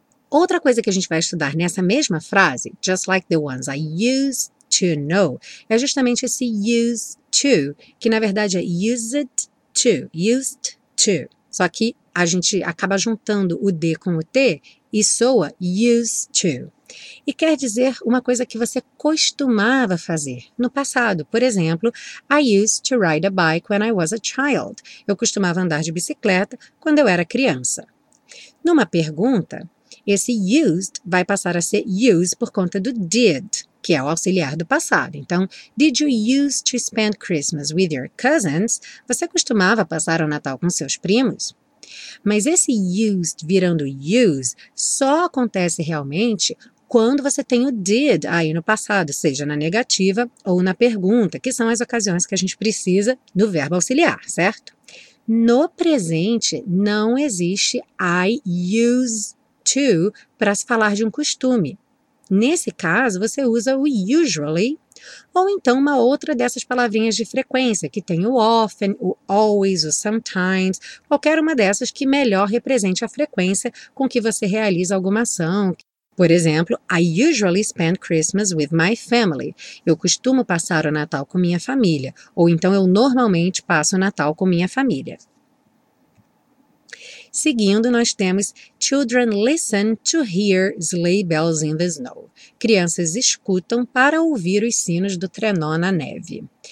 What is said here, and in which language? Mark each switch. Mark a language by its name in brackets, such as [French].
[Portuguese] Outra coisa que a gente vai estudar nessa mesma frase, [English] just like the ones I used to know, [Portuguese] é justamente esse used to, que na verdade é used to, used to. Só que a gente acaba juntando o D com o T e soa used to. E quer dizer uma coisa que você costumava fazer no passado. Por exemplo, [English] I used to ride a bike when I was a child. [Portuguese] Eu costumava andar de bicicleta quando eu era criança. Numa pergunta, esse used vai passar a ser use por conta do did, que é o auxiliar do passado. [English] Então, did you used to spend Christmas with your cousins? [Portuguese] Você costumava passar o Natal com seus primos? Mas esse used virando use só acontece realmente quando você tem o did aí no passado, seja na negativa ou na pergunta, que são as ocasiões que a gente precisa do verbo auxiliar, certo? No presente, não existe I use to para se falar de um costume. Nesse caso, você usa o usually, ou então uma outra dessas palavrinhas de frequência, que tem o often, o always, o sometimes, qualquer uma dessas que melhor represente a frequência com que você realiza alguma ação. Por exemplo, [English] I usually spend Christmas with my family. [Portuguese] Eu costumo passar o Natal com minha família. Ou então, eu normalmente passo o Natal com minha família. Seguindo, nós temos [English] children listen to hear sleigh bells in the snow. [Portuguese] Crianças escutam para ouvir os sinos do trenó na neve.